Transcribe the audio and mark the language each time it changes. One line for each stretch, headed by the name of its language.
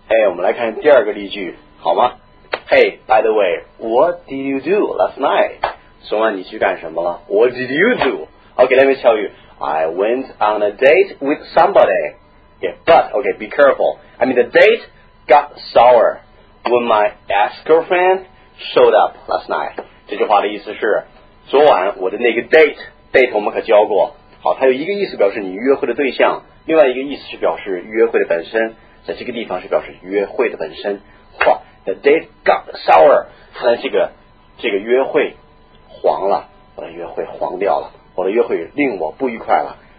Chinese: 哎，我们来看第二个例句，好吗？
English: Hey， by the way， what did you do last night？
Chinese: 昨晚你去干什么了？
English: What did you do？ Okay， let me tell you， I went on a date with somebody。 Yeah, but, okay, be careful. I mean, the date got sour when my ex-girlfriend showed up last night.
Chinese: 这句话的意思是，昨晚我的那个 date 我们可交过。好，它有一个意思表示你约会的对象，另外一个意思是表示约会的本身，在这个地方是表示约会的本身。
English: 哇， the date got sour.
Chinese: 它的这个约会黄了，我的约会黄掉了，我的约会令我不愉快了。